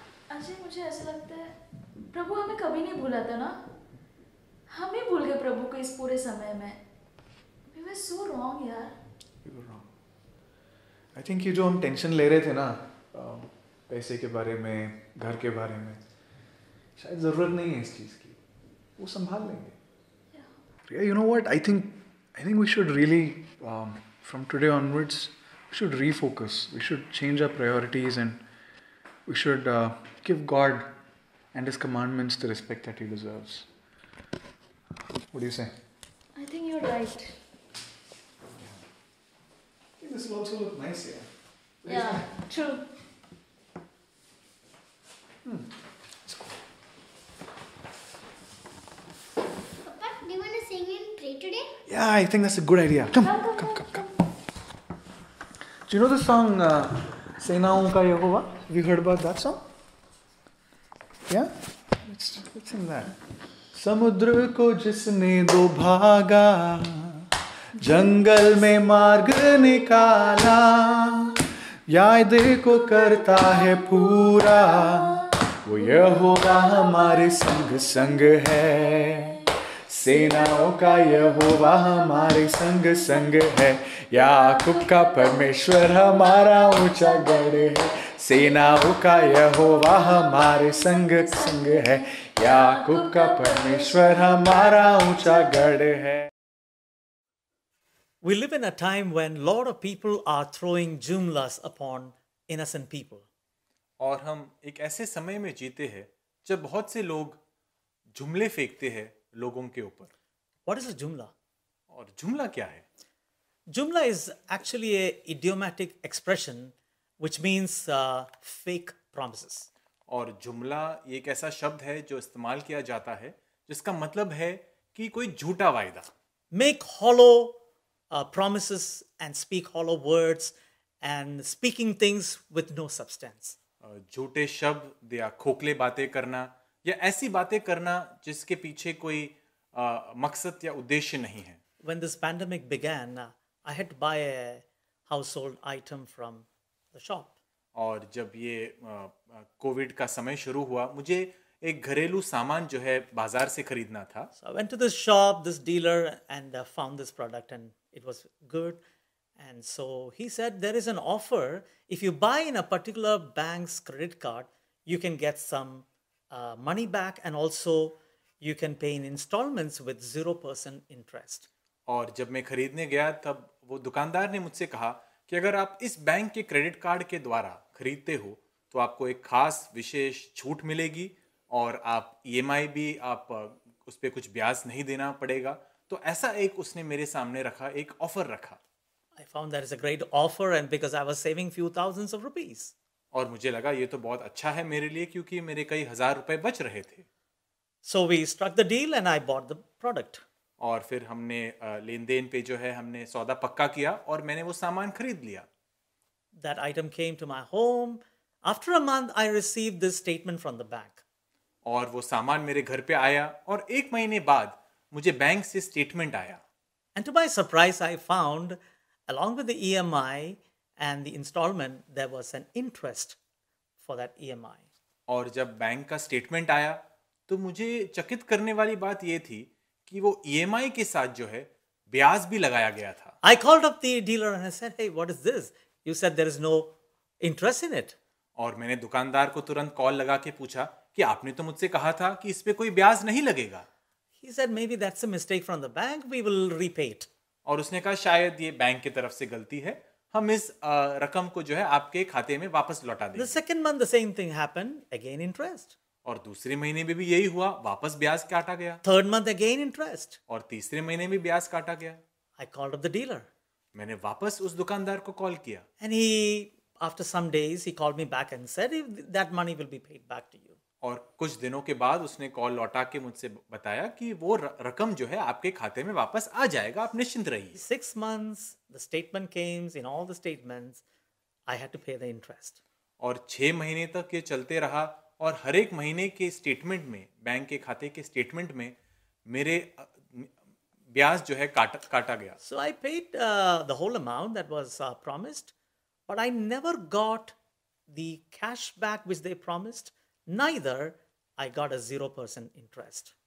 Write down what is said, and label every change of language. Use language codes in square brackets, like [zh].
[hi] अच्छा मुझे ऐसा लगता है प्रभु हमें कभी नहीं भूला था ना, हम ही भूल गए प्रभु को इस पूरे समय में। [en] We were so wrong यार। We were wrong। I think [hi] ये जो हम टेंशन ले रहे थे ना पैसे के बारे में, घर के बारे में, शायद जरूरत नहीं है इस चीज की, वो संभाल लेंगे। [en] Yeah, you know what? I think we should really from today onwards we should refocus, we should change our priorities and we should give God and His commandments the respect that He deserves. What do you say? I think you're right. Yeah. This will also look nice here. Yeah, true. It's cool. Papa, do you want to sing and pray today? Yeah, I think that's a good idea. Come. Do you know the song, Senaon Ka Yehova? Have you heard about that song? Yeah? Let's sing that. [hi] समुद्र को जिसने दो भागा, जंगल में मार्ग निकाला, याद को करता है पूरा, वो यहोवा हमारे संग संग है। सेनाओं का यहोवा हमारे संग संग है, याकूब का परमेश्वर हमारा ऊंचा गढ़ है। सेनाओं का यहोवा हमारे संग संग है, याकूब का परमेश्वर हमारा ऊंचा गढ़ है। [en] We live in a time when lot of people are throwing jumlas upon innocent people. [hi] और हम एक ऐसे समय में जीते हैं जब बहुत से लोग जुमले फेंकते हैं लोगों के ऊपर। [en] What is a jumla? [hi] और जुमला क्या है? [en] Jumla is actually a idiomatic expression which means fake promises. [hi] और जुमला एक ऐसा शब्द है जो इस्तेमाल किया जाता है जिसका मतलब है कि कोई झूठा वायदा। [en] Make hollow promises and speak hollow words and speaking things with no substance. [hi] झूठे शब्द या खोखले बातें करना या ऐसी बातें करना जिसके पीछे कोई मकसद या उद्देश्य नहीं है। [en] When this pandemic began, I had to buy a household item from the shop. [hi] और जब ये कोविड का समय शुरू हुआ, मुझे एक घरेलू सामान जो है बाजार से खरीदना था। [en] So I went to this shop, this dealer, and I found this product, and it was good. And so he said there is an offer. If you buy in a particular bank's credit card, you can get some money back, and also you can pay in installments with 0% interest. [hi] और जब मैं खरीदने गया, तब वो दुकानदार ने मुझसे कहा कि अगर आप इस बैंक के क्रेडिट कार्ड के द्वारा खरीदते हो तो आपको एक खास विशेष छूट मिलेगी और आप ईएमआई भी आप उस पर कुछ ब्याज नहीं देना पड़ेगा। तो ऐसा एक उसने मेरे सामने रखा, एक ऑफर रखा। [en] I found that is a great offer and because I was saving few thousands of rupees. [hi] और मुझे लगा ये तो बहुत अच्छा है मेरे लिए क्योंकि मेरे कई हजार रुपए बच रहे थे। [en] So we struck the deal and I bought the product. [hi] और फिर हमने लेन देन पे जो है हमने सौदा पक्का किया और मैंने वो सामान खरीद लिया। [en] That item came to my home. After a month, I received this statement from the bank. [hi] और वो सामान मेरे घर पे आया और एक महीने बाद मुझे बैंक से स्टेटमेंट आया। [en] And to my surprise, I found along with the EMI and the installment, there was an interest for that EMI. [hi] और जब बैंक का स्टेटमेंट आया तो मुझे चकित करने वाली बात ये थी कि वो EMI के साथ जो है ब्याज भी लगाया गया था। [en] I called up the dealer and I said, hey, what is this? You said there is no interest in it. [hi] और मैंने दुकानदार को तुरंत कॉल लगा के पूछा कि आपने तो मुझसे कहा था कि इस पे कोई ब्याज नहीं लगेगा। [en] He said, maybe that's a mistake from the bank. We will repay it. [hi] और उसने कहा शायद ये बैंक की तरफ से गलती है, हम इस रकम को जो है आपके खाते में वापस लौटा देंगे। [en] The second month the same thing happened, again interest. [hi] और दूसरे महीने में भी यही हुआ, वापस ब्याज काटा गया। [en] Third month again interest. [hi] और तीसरे महीने में ब्याज काटा गया। [en] I called up the dealer. [hi] मैंने वापस उस दुकानदार को कॉल किया। [en] And he, after some days, he called me back and said that money will be paid back to you. [hi] और कुछ दिनों के बाद उसने कॉल लौटा के मुझसे बताया कि वो रकम जो है आपके खाते में वापस आ जाएगा, आप निश्चिंत रहिए। [en] Six months, the statement came. In all the statements, I had to pay the interest. [hi] और छह महीने तक ये चलते रहा और हर एक महीने के स्टेटमेंट में, बैंक के खाते के स्टेटमेंट में मेरे ब्याज जो है काटा गया। [en] So I paid the whole amount that was promised, but I never got the cash back which they promised. Neither I got a 0% interest.